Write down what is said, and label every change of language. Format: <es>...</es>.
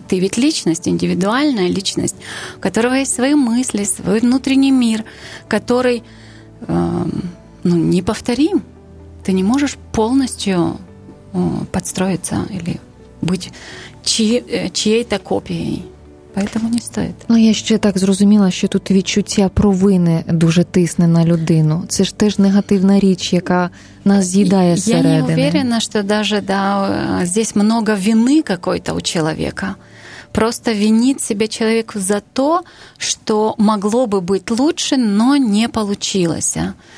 <ru>Ты ведь личность, индивидуальная личность, у которого есть свои мысли, свой внутренний мир, который неповторим. Ты не можешь полностью подстроиться или быть чьей-то копией. Поэтому не стоит.</ru> <uk>Ну, я ще так зрозуміла, що тут відчуття провини дуже тисне на людину. Це ж теж негативна річ, яка нас з'їдає зсередини.</uk> <ru>Я не уверена,</ru> <uk>що навіть,</uk> <ru>да, здесь много вини какой-то у человека. Просто винить себе человеку за то,</ru> <uk>що могло би бути</uk> <ru>лучше, но не получилося.</ru>